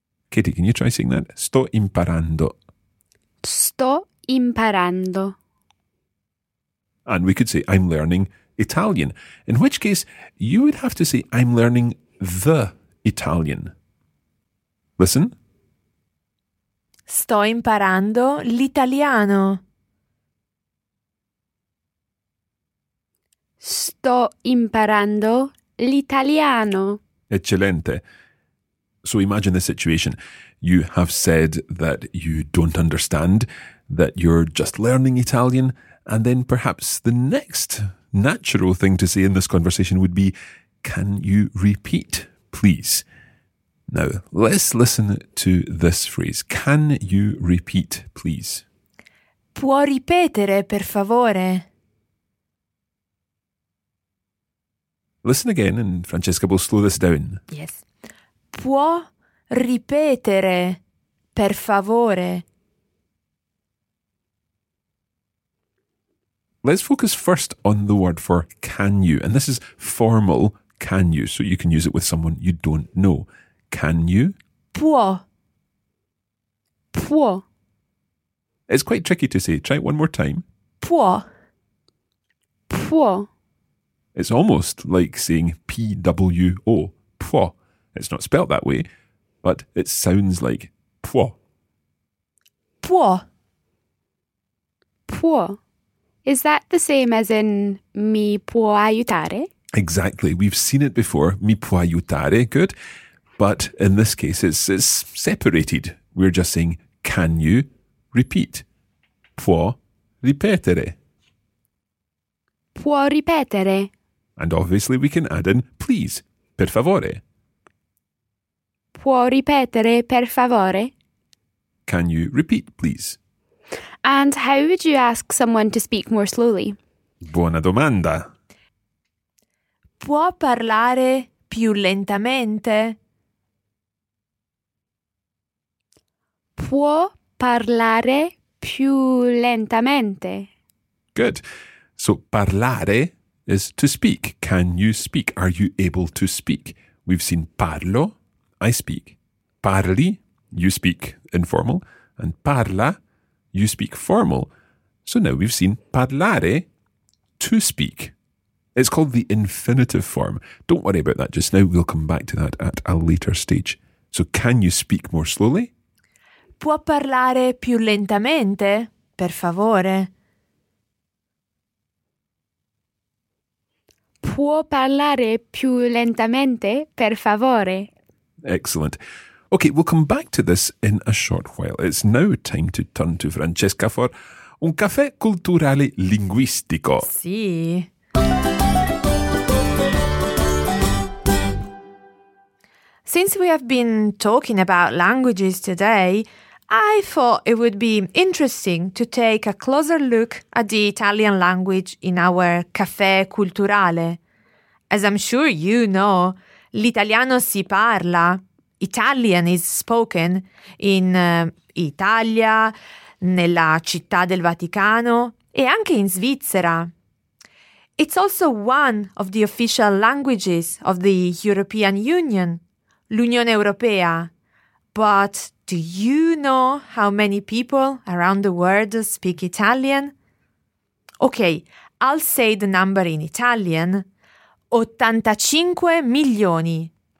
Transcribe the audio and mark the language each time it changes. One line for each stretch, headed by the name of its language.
English: Katie, can you try saying that?
Italian: Sto imparando. Sto imparando.
English: And we could say, I'm learning Italian. In which case, you would have to say, I'm learning the Italian. Listen.
Italian: Sto imparando l'italiano. Sto imparando l'italiano. Eccellente.
English: So imagine the situation. You have said that you don't understand, that you're just learning Italian, and then perhaps the next natural thing to say in this conversation would be, can you repeat, please? Now, let's listen to this phrase. Can you repeat, please?
Italian: Può ripetere, per favore?
English: Listen again, and Francesca will slow this down. Yes.
Italian: Può ripetere, per favore?
English: Let's focus first on the word for can you. And this is formal, can you? So you can use it with someone you don't know. Can you?
Italian: Può. Può.
English: It's quite tricky to say. Try it one more time.
Italian: Può. Può.
English: It's almost like saying P-W-O. Può. It's not spelt that way, but it sounds like può. Può. Può. Is that the same as in
Italian: mi può aiutare?
English: Exactly. We've seen it before.
Italian: Mi può aiutare.
English: Good. But in this case, it's separated. We're just saying, can you repeat?
Italian: Può ripetere. Può ripetere.
English: And obviously we can add in please,
Italian: per favore. Può ripetere, per favore?
English: Can you repeat, please? And how would you ask someone to speak more slowly?
Italian: Buona domanda. Può parlare più lentamente? Può parlare più lentamente?
English: Good. So parlare is to speak. Can you speak? Are you able to speak? We've seen parlo, I speak. Parli, you speak informal. And parla, you speak formal. So now we've seen parlare, to speak. It's called the infinitive form. Don't worry about that just now. We'll come back to that at a later stage. So can you speak more slowly?
Italian: Può parlare più lentamente, per favore? Può parlare più lentamente, per favore?
English: Excellent. Okay, we'll come back to this in a short while. It's now time to turn to Francesca for
Italian: un caffè culturale linguistico. Sì.
English: Since we have been talking about languages today, I thought it would be interesting to take a closer look at the Italian language in our caffè culturale. As I'm sure you know,
Italian: l'italiano si parla,
English: Italian is spoken,
Italian: in Italia, nella città del Vaticano e anche in Svizzera.
English: It's also one of the official languages of the European Union,
Italian: l'Unione Europea.
English: But do you know how many people around the world speak Italian? Okay, I'll say the number in Italian.
Italian: 85 milioni.